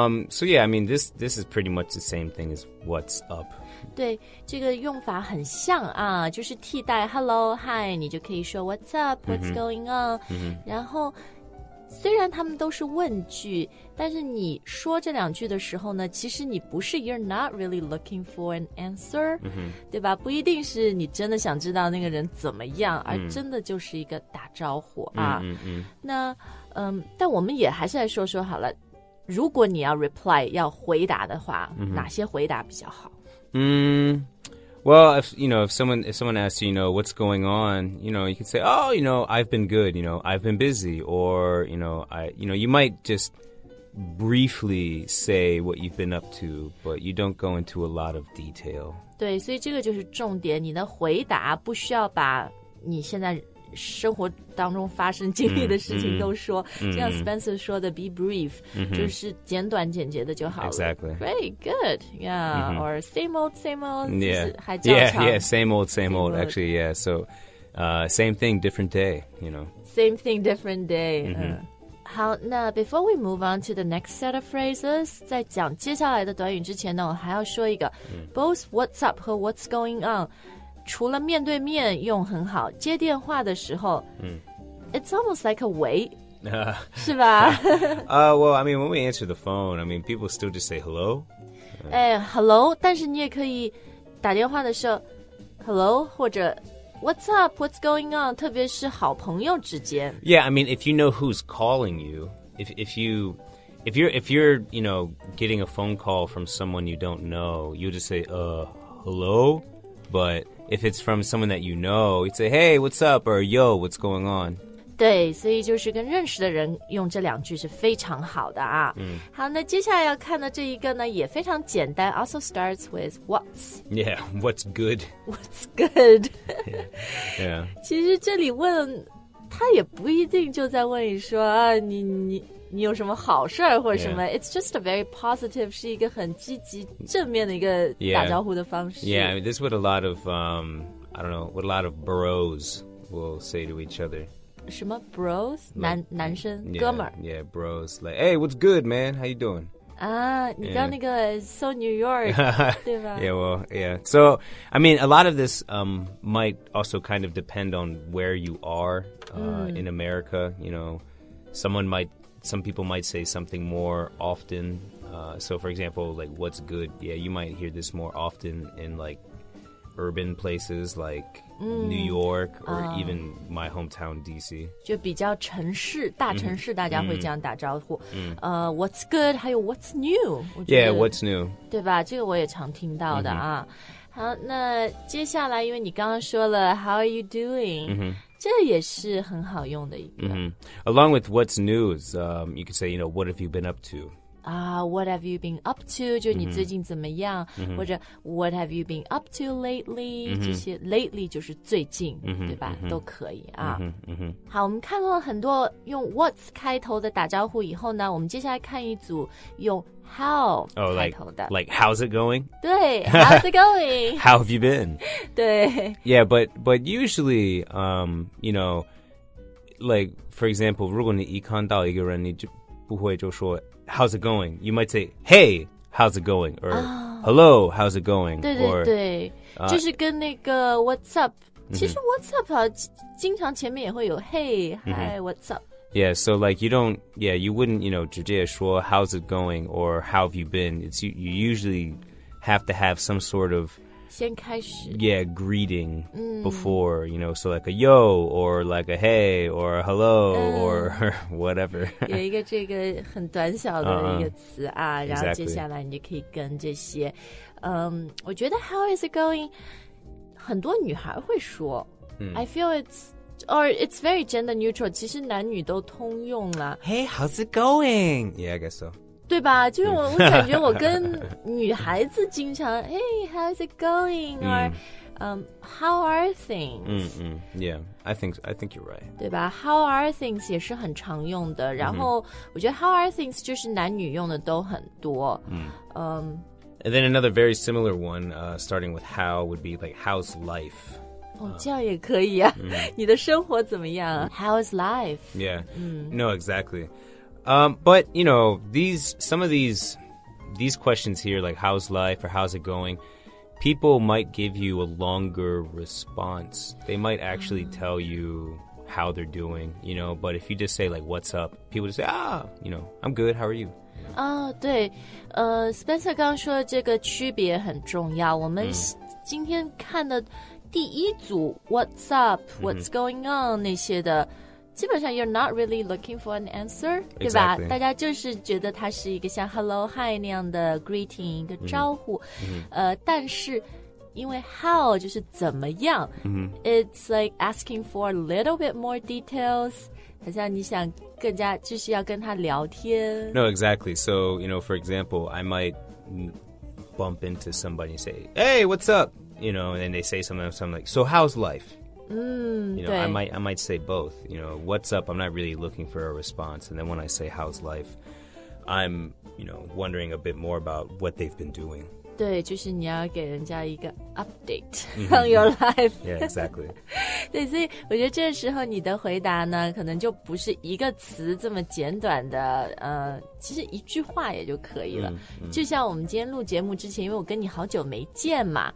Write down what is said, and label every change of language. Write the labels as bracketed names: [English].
[English] So this is pretty much the same thing as what's up. [Chinese] 对这个用法很像啊就是替代 [English] hello, hi, [Chinese] 你就可以说 [English] what's up, what's going on,、 [Chinese] 然后虽然他们都是问句但是你说这两句的时候呢其实你不是 [English] you're not really looking for an answer,、 [Chinese] 对吧不一定是你真的想知道那个人怎么样而真的就是一个打招呼啊、那但我们也还是来说说好了如果你要 reply, 要回答的话、哪些回答比较好 [English] Well, if someone asks you, you know, what's going on, you know, you could say, oh, you know, I've been good, you know, I've been busy, or, you know, you might just briefly say what you've been up to, but you don't go into a lot of detail. [Chinese] 对，所以这个就是重点，你的回答不需要把你现在生活当中发生经历的事情都说，就像 Spencer 说的 [English] be brief, [Chinese] 就是简短简洁的就好了。 [English] Exactly. Great, good, yeah, or same old, same old, yeah, [Chinese] 还较长 [English] yeah, same old, same old, actually, yeah, so, same thing, different day, you know. Same thing, different day. [Chinese] 好，那 [English] before we move on to the next set of phrases, [Chinese] 在讲接下来的短语之前呢，我还要说一个 [English] both what's up [Chinese] 和 [English] what's going on, [Chinese] 除了面对面用很好接电话的时候、 [English] It's almost like a way [Chinese] 是吧 [English] Well, I mean, when we answer the phone I mean, people still just say hello、 Hello [Chinese] 但是你也可以打电话的时候 Hello 或者 [English] What's up? What's going on? [Chinese] 特别是好朋友之间 [English] Yeah, I mean, if you know who's calling you If you're you know, getting a phone call from someone you don't know You'll just say, hello But if it's from someone that you know, you'd say, hey, what's up, or yo, what's going on? [Chinese] 对，所以就是跟认识的人用这两句是非常好的啊。嗯，好，那接下来要看的这一个呢，也非常简单 ， [English] also starts with what's. Yeah, what's good? What's good? Yeah. Yeah. [Chinese] 其实这里问他也不一定就在问你说啊，你有什么好事儿或者什么、 [English] yeah. ？ It's just a very positive, [Chinese] 是一个很积极正面的一个打招呼的方式。 [English] Yeah, yeah, I mean, this is what a lot of I don't know what a lot of bros will say to each other. [Chinese] 什么 bros? 男生 [English] yeah, [Chinese] 哥们儿 [English] Yeah, bros. Like, hey, what's good, man? How you doing? [Chinese] 啊、你知道那个 [English] So New York, [Chinese] 对吧 [English] Yeah, well, yeah. So, I mean, a lot of this might also kind of depend on where you are、in America. You know, some people might say something more often. So, for example, like, what's good? Yeah, you might hear this more often in, like, urban places, like,New York or even my hometown DC [Chinese] 就比较城市大城市大家会这样打招呼、 [English] mm-hmm. What's good [Chinese] 还有 [English] what's new Yeah what's new [Chinese] 对吧这个我也常听到的啊、mm-hmm. 好那接下来因为你刚刚说了 [English] How are you doing、 mm-hmm. [Chinese] 这也是很好用的一个、 [English] mm-hmm. Along with what's news you could say you know what have you been up to What have you been up to? [Chinese] 就你最近怎么样、 [English] mm-hmm. [Chinese] 或者 [English] What have you been up to lately?、 Mm-hmm. [Chinese] 这些 lately 就是最近、 [English] mm-hmm. [Chinese] 对吧、 [English] mm-hmm. [Chinese] 都可以啊、 [English] mm-hmm. [Chinese] 好我们看到了很多用 what's 开头的打招呼以后呢我们接下来看一组用 how 开头的、 [English] oh, like how's it going? [Chinese] 对 [English] how's it going? How have you been? [Chinese] 对 [English] Yeah but usually you know like for example [Chinese] 如果你一看到一个人你就不会就说 [English] How's it going? You might say, hey, how's it going? Or,、 oh, hello, how's it going? [Chinese] 对对对 or,、就是跟那个 [English] what's up.、 Mm-hmm. [Chinese] 其实 [English] what's up,、 [Chinese] 啊、经常前面也会有 [English] hey, hi,、 mm-hmm. what's up? Yeah, so like you don't, yeah, you wouldn't, you know, [Chinese] 直接说 [English] how's it going or how have you been? It's, you usually have to have some sort of, [Chinese] 先开始 [English] yeah, greeting、 [Chinese] 嗯、 [English] before, you know, so like a yo or like a hey or a hello、or whatever. [Chinese] 有一个这个很短小的一个词啊、 [English] uh-huh. [Chinese] 然后接下来你就可以跟这些、我觉得 [English] how is it going? [Chinese] 很多女孩会说、 [English] mm. I feel it's very gender neutral, [Chinese] 其实男女都通用了。 [English] Hey, how's it going? Yeah, I guess so. [Chinese] 对吧就是我感觉我跟女孩子经常 [English] Hey, how's it going? Or、how are things? Yeah, I think you're right. [Chinese] 对吧 [English] How are things [Chinese] 也是很常用的然后、 [English] mm-hmm. [Chinese] 我觉得 [English] how are things [Chinese] 就是男女用的都很多、 [English] mm. And then another very similar one、starting with how would be like how's life? [Chinese] 哦、这样也可以啊、 [English] mm. [Chinese] 你的生活怎么样 [English] How's life? Yeah,、 mm. no, exactly. But, you know, some of these questions here, like how's life or how's it going, people might give you a longer response. They might actually tell you how they're doing, you know, but if you just say like, what's up, people just say, ah, you know, I'm good, how are you? [Chinese] 对Spencer 刚刚说的这个区别很重要。我们、mm. 今天看的第一组 [English] what's up, what's going on、mm-hmm. [Chinese] 那些的基本上 [English] you're not really looking for an answer,、 exactly. [Chinese] 对吧？大家就是觉得它是一个像 [English] hello, hi [Chinese] 那样的 greeting, 一个招呼。 [English] Mm-hmm. [Chinese] 但是因为 how 就是怎么样、 [English] mm-hmm. ,it's like asking for a little bit more details, [Chinese] 好像你想更加就是要跟他聊天。 [English] No, exactly. So, you know, for example, I might bump into somebody and say, hey, what's up? You know, and then they say something like, so how's life? [Chinese] 嗯、 [English] you know, I might say both. You know, what's up? I'm not really looking for a response. And then when I say how's life, I'm, you know, wondering a bit more about what they've been doing. [Chinese] 对，就是你要给人家一个 [English] update on your life. Yeah, exactly. [Chinese] 对，所以我觉得这时候你的回答呢，可能就不是一个词这么简短的，其实一句话也就可以了。 [English] Mm-hmm. [Chinese] 就像我们今天录节目之前，因为我跟你好久没见嘛，